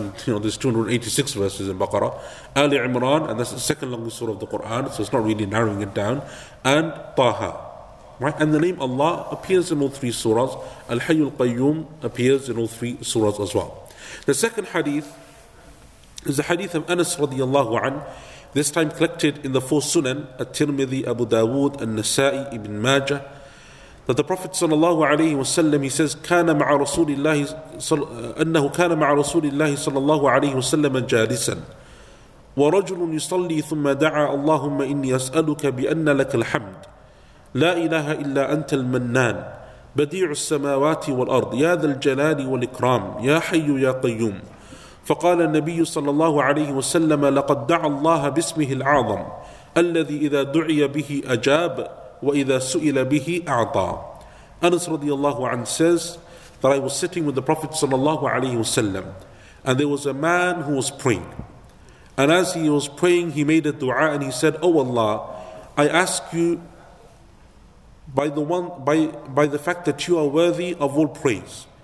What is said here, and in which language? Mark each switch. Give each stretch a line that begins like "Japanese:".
English: And you know there's 286 verses in Baqarah. Ali Imran, and that's the second longest surah of the Quran, so it's not really narrowing it down. And Taha. Right? And the name Allah appears in all three surahs. Al-Hayyu al-Qayyum appears in all three surahs as well. The second hadith is the hadith of Anas radiallahu anhu. This time collected in the four Sunan, At-Tirmidhi, Abu Dawood, An-Nasa'i, Ibn Majah, that the Prophet sallallahu alayhi wa sallam, he says,
Arabic: كان مع رسول الله أنه كان مع رسول الله صلى الله عليه وسلم جالسا ورجل يصلي ثم دعا اللهم إني أسألك بأن لك الحمد لا إله إلا أنت المنان بديع السماوات والأرض يا ذا الجلال والإكرام يا حي يا قيوم. فقال النبي صلى الله عليه وسلم لقد دعا الله باسمه الأعظم الذي إذا دعي به أجاب وإذا سئل به أعطى.
English: Anas radiallahu anhu says that I was sitting with the Prophet
Arabic: صلى الله عليه وسلم,
English: and there was a man who was praying, and as he was praying he made a dua and he said, O Allah, I ask you by the fact that you are worthy of all praise.